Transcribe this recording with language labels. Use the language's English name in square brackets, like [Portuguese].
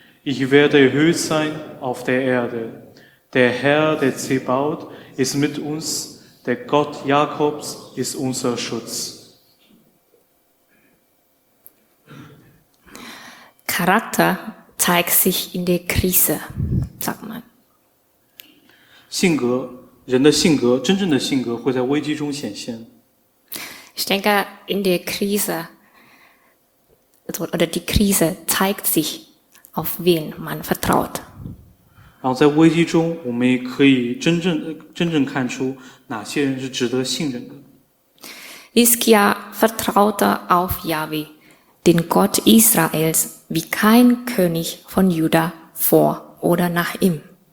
[German] Ich werde erhöht sein auf der Erde. Der Herr, der Zebaoth, ist mit uns. Der Gott Jakobs ist unser Schutz. Charakter zeigt sich in der Krise, sagt man. [Chinese] 性格, 人的性格, 真正的性格, [German] ich denke, in der Krise, oder die Krise zeigt sich, auf wen man vertraut. [Chinese] 然后在危机中, 我们也可以真正看出哪些人是值得信任的。 [German] Hiskia vertraute auf Yahweh, den Gott Israels, wie kein König von Juda vor oder nach ihm.